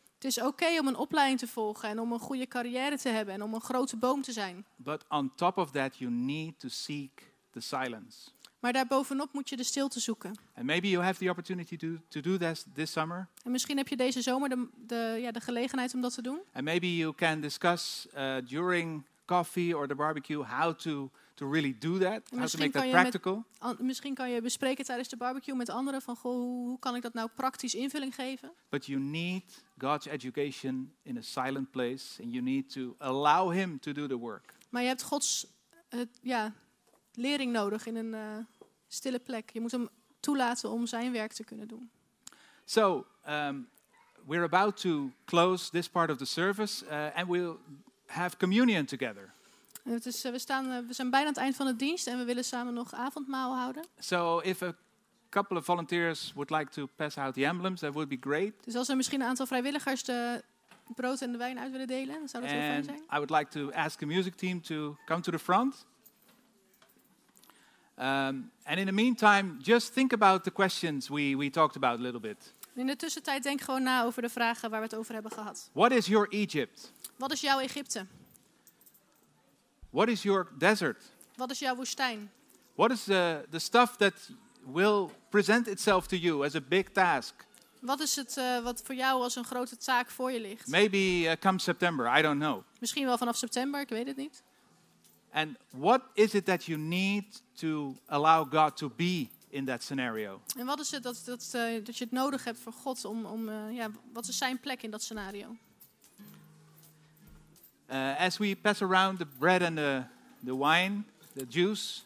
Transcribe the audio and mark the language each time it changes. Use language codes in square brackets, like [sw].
[nl] Het is okay om een opleiding te volgen en om een goede carrière te hebben en om een grote boom te zijn. [en] But on top of that you need to seek the silence. [nl] Maar daarbovenop moet je de stilte zoeken. [en] And maybe you have the opportunity to do this summer. [nl] En misschien heb je deze zomer de gelegenheid om dat te doen. [en] And maybe you can discuss during coffee or the barbecue how to really do that, how to make that practical. [nl] Misschien kan je bespreken tijdens de barbecue met anderen van goh, hoe kan ik dat nou praktisch invulling geven? [en] But you need God's education in a silent place and you need to allow him to do the work. [nl] Maar je hebt Gods lering nodig in een stille plek. Je moet hem toelaten om zijn werk te kunnen doen. [en] So, we're about to close this part of the service and we'll have communion together. [nl] We zijn bijna aan het eind van de dienst en we willen samen nog avondmaal houden. [en] So if a couple of volunteers would like to pass out the emblems, that would be great. [nl] Dus als er misschien een aantal vrijwilligers de brood en de wijn uit willen delen, dan zou dat heel fijn zijn. [en] I would like to ask the music team to come to the front. And in the meantime, just think about the questions we talked about a little bit. [nl] In de tussentijd denk gewoon na over de vragen waar we het over hebben gehad. [en] What is your Egypt? [nl] Wat is jouw Egypte? [en] What is your desert? [nl] Wat is jouw woestijn? [en] What is the stuff that will present itself to you as a big task? [nl] Wat is het wat voor jou als een grote taak voor je ligt? [en] Maybe come September, I don't know. [nl] Misschien wel vanaf september, ik weet het niet. [en] And what is it that you need to allow God to be in that scenario? [nl] En wat is het dat je het nodig hebt voor God om wat is zijn plek in dat scenario? [en] As we pass around the bread and the wine, the juice.